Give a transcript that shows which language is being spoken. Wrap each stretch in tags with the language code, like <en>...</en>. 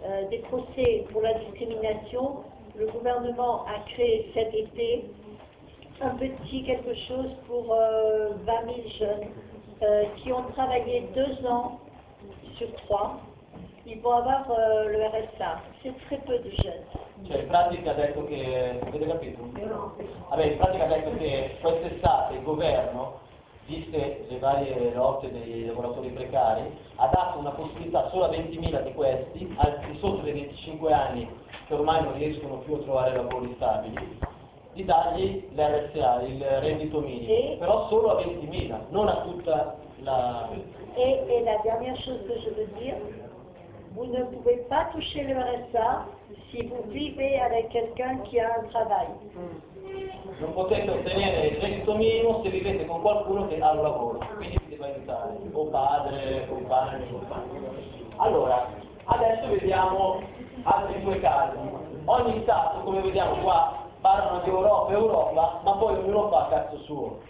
<fr>Des procès pour la discrimination, le gouvernement a créé cet été un petit quelque chose pour 20 000 jeunes qui ont travaillé 2 ans sur 3, ils vont avoir le RSA. C'est très peu de jeunes.</fr> <it>Cioè in pratica ha detto che, avete capito? No. Vabbè, in pratica ha detto che quest'estate il governo viste le varie lotte dei lavoratori precari, ha dato una possibilità solo a 20.000 di questi, al di sotto dei 25 anni, che ormai non riescono più a trovare lavori stabili, di dargli l'RSA, il reddito minimo, però solo a 20.000, non a tutta la...</it> <fr>E la dernière chose que je veux dire, vous ne pouvez pas toucher le RSA si vous vivez avec quelqu'un qui a un travail.</fr> <it>Non potete ottenere il reddito minimo se vivete con qualcuno che ha un lavoro, quindi vi deve aiutare, o padre, compagno. Allora, adesso vediamo altri due casi. Ogni stato, come vediamo qua, parlano di Europa, Europa, ma poi ognuno fa a cazzo suo.</it>